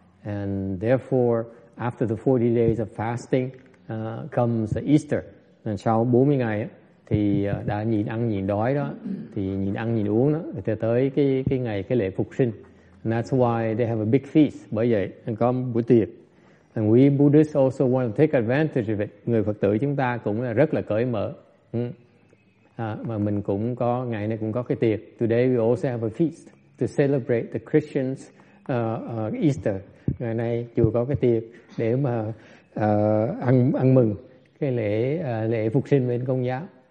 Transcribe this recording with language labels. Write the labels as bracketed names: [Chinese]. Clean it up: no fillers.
[English] And therefore, after the 40 days of fasting, comes Easter. [Vietnamese] And sau 40 ngày thì đã nhịn ăn nhịn đói đó, thì nhịn ăn nhịn uống đó, thì tới cái ngày cái lễ phục sinh. [English] And that's why they have a big feast. [Vietnamese] Bởi vậy, có bữa tiệc. [English] And we Buddhists also want to take advantage of it. [Vietnamese] Người Phật tử chúng ta cũng là rất là cởi mở. Mà mình cũng có, ngày này cũng có cái tiệc. [English] Today we also have a feast to celebrate the Christians' Easter. [Vietnamese] Ngày nay chùa có cái tiệc để mà ăn mừng cái lễ phục sinh bên Công giáo.